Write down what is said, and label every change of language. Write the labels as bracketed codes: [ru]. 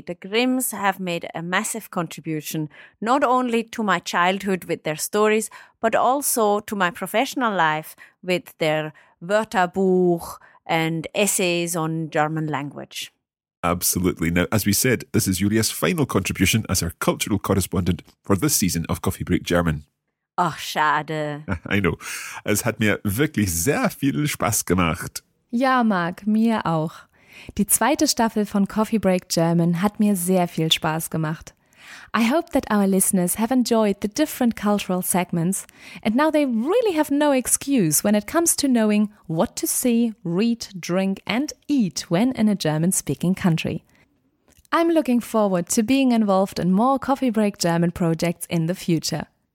[en] The Grimms have made a massive contribution, not only to my childhood with their stories, but also to my professional life with their Wörterbuch, and essays on German language. Absolutely. Now, as we said, this is Julia's final contribution as our cultural correspondent for this season of Coffee Break German. [de] Ach, schade. [en] I know. [de] Es hat mir wirklich sehr viel Spaß gemacht. Ja, Marc, mir auch. Die zweite Staffel von Coffee Break German hat mir sehr viel Spaß gemacht. [en] I hope that our listeners have enjoyed the different cultural segments and now they really have no excuse when it comes to knowing what to see, read, drink and eat when in a German-speaking country. I'm looking forward to being involved in more Coffee Break German projects in the future.